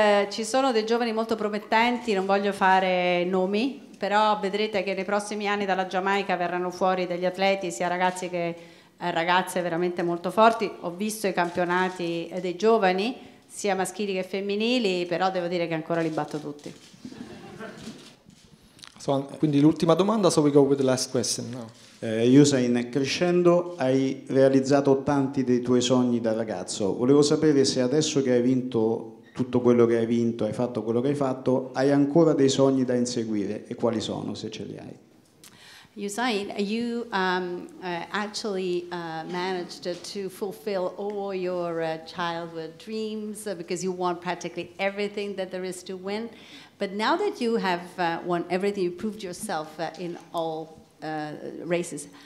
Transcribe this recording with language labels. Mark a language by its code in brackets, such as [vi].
[it] ci sono dei giovani molto promettenti, non voglio fare nomi, però vedrete che nei prossimi anni dalla Giamaica verranno fuori degli atleti, sia ragazzi che ragazze veramente molto forti. Ho visto i campionati dei giovani, sia maschili che femminili, però devo dire che ancora li batto tutti. [en] So, [it] quindi l'ultima domanda, [en] so we go with the last question now. [it] Usain, crescendo hai realizzato tanti dei tuoi sogni da ragazzo. Volevo sapere se adesso che hai vinto tutto quello che hai vinto, hai fatto quello che hai fatto, hai ancora dei sogni da inseguire, e quali sono, se ce li hai? [en] Usain, you actually managed to fulfill all your childhood dreams because you won practically everything that there is to win. But now that you have won everything, you proved yourself in all races.